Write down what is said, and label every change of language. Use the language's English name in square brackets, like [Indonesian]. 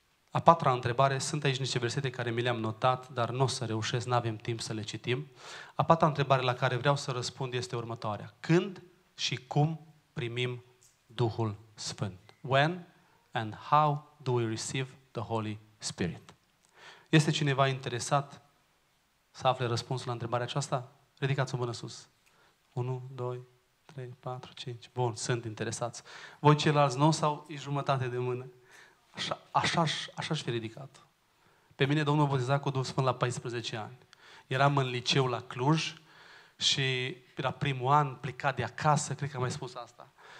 [Romanian] A patra întrebare, sunt aici niște versete care mi le-am notat, dar nu o să reușesc, n-avem timp să le citim. A patra întrebare la care vreau să răspund este următoarea. Când și cum primim Duhul Sfânt? [English] When and how do we receive the Holy Spirit? [Romanian] Este cineva interesat să afle răspunsul la întrebarea aceasta? Ridicați-o mână sus. 1, 2, 3, 4, 5. Bun, sunt interesați. Voi ceilalți nu sau e jumătate de mână? Așa aș fi ridicat. Pe mine Domnul botezat cu Duhul Sfânt la 14 ani. Eram în liceu la Cluj și era primul an, plecat de acasă, cred că am mai spus asta.